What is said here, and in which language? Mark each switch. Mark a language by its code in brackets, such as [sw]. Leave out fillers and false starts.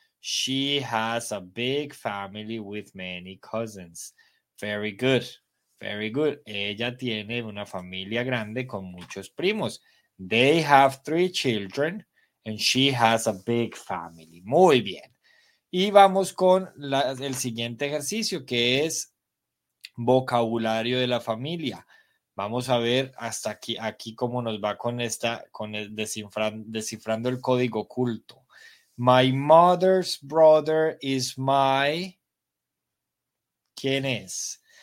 [en] She has a big family with many cousins. Very good. Very good. [es] Ella tiene una familia grande con muchos primos. [en] They have three children and she has a big family. [es] Muy bien. Y vamos con el siguiente ejercicio, que es vocabulario de la familia. Vamos a ver hasta aquí cómo nos va con esta, con el descifrando el código oculto. [en] My mother's brother is my. [es] ¿Quién es?